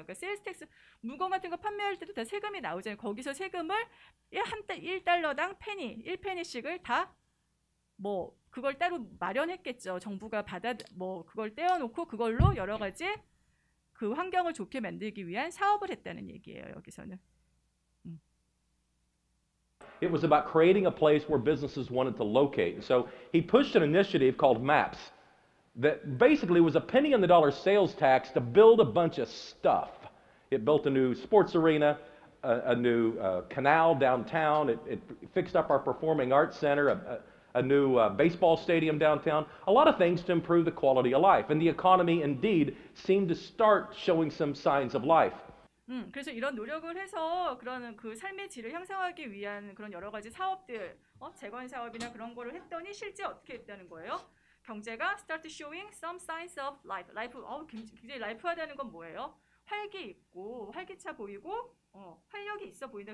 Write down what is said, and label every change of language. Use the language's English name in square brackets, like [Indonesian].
[Korean] 그러니까 세일스텍스 물건 같은 거 판매할 때도 다 세금이 나오잖아요. 거기서 세금을 1달러당 페니, 1페니씩을 다 뭐 그걸 따로 마련했겠죠. 정부가 받아 뭐 그걸 떼어놓고 그걸로 여러 가지 그 환경을 좋게 만들기 위한 사업을 했다는 얘기예요. 여기서는. [English] It was about creating a place where businesses wanted to locate. So he pushed an initiative called MAPS that basically was a penny on the dollar sales tax to build a bunch of stuff. It built a new sports arena, a new canal downtown. It fixed up our performing arts center, a new baseball stadium downtown. A lot of things to improve the quality of life. And the economy indeed seemed to start showing some signs of life. [Korean] 그래서 이런 노력을 해서 그런 그 삶의 질을 향상하기 위한 그런 여러 가지 사업들, 재건 사업이나 그런 거를 했더니 실제 어떻게 했다는 거예요? 경제가 [English] start showing some signs of life. [Korean] 라이프, 굉장히 라이프하다는 건 뭐예요? 활기 있고 활기차 보이고 활력이 있어 보인다.